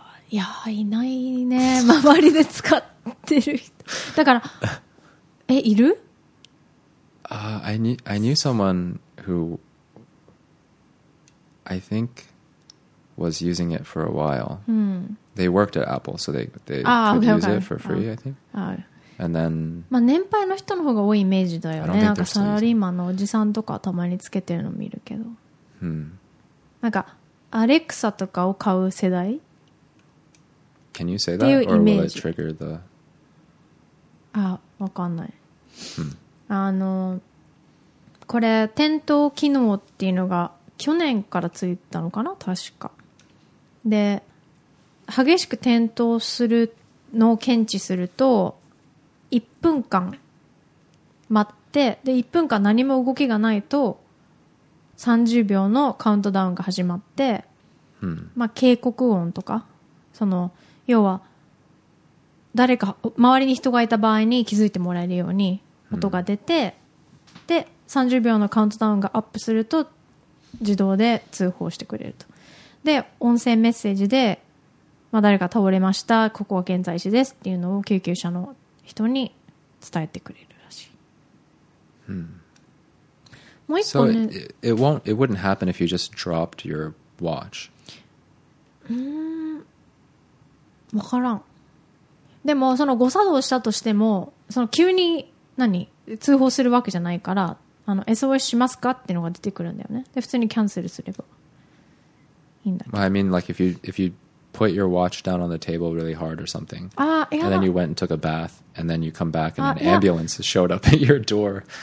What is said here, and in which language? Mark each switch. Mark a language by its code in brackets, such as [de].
[ja] いやいないね周りで使ってる人だからえいる、 [en] I knew someone who I think was using it for a while、 [ja] うん、 [en] they worked at Apple so they could use it for free I think and then、 [ja] まあ、年配の人の方が多いイメージだよね。なんかサラリーマンのおじさんとかたまにつけてるの見るけど、うん、なんかアレクサとかを買う世代 [en] can you say that or will it trigger the [ja] あ、わかんない、うん、あのこれ点灯機能っていうのが去年からついたのかな確か。で激しく点灯するのを検知すると1分間待ってで1分間何も動きがないと30秒のカウントダウンが始まって、うん、まあ、警告音とかその要は誰か周りに人がいた場合に気づいてもらえるように音が出て、うん、で30秒のカウントダウンがアップすると自動で通報してくれると。で音声メッセージで、まあ、誰か倒れましたここは現在地ですっていうのを救急車の人に伝えてくれるらしい、 hmm. もう一個ね、 [en] so、it wouldn't happen if you just dropped your watch [ja] わからん。でもその誤作動したとしてもその急に何通報するわけじゃないから、あの SOS しますかっていうのが出てくるんだよね。で普通にキャンセルすれば [en] Well, I mean, like if you put your watch down on the table really hard or something, and then you went and took a bath, and then you come back and an ambulance showed up at your door.